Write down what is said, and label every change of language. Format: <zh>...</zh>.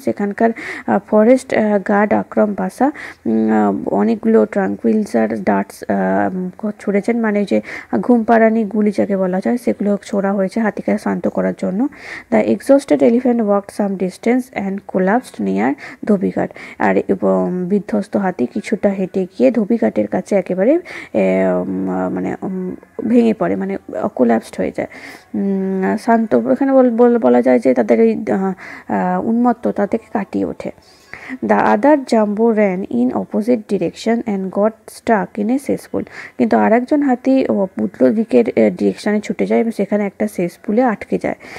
<bn>সেখানকার forest guard আক্রম পাশা অনেকগুলো ট্রাঙ্কুইলজার darts ছুড়েছেন, মানে যে ঘুমপাড়ানি গুলি যাকে বলা যায় সেগুলো ছোড়া হয়েছে হাতিকে শান্ত করার জন্য।</bn> <en>The exhausted leave and walked some distance and collapsed near Dhobighat.</en> <bn>আর এবং বিধ্বস্ত হাতি কিছুটা হেঁটে গিয়ে ধোবিঘাটের কাছে একেবারে মানে ভেঙে পড়ে, মানে কোলাপসড হয়ে যায়। শান্ত এখানে বলা যায় যে তাদের এই উন্মত্ততা থেকে কাটিয়ে ওঠে।</bn> <en>The other jumbo ran in opposite direction and got stuck in a cesspool.</en> <bn>কিন্তু আরেকজন হাতি উল্টো দিকের ডিরেকশনে ছুটে যায় এবং সেখানে একটা সেসপুলে আটকে যায়।</bn>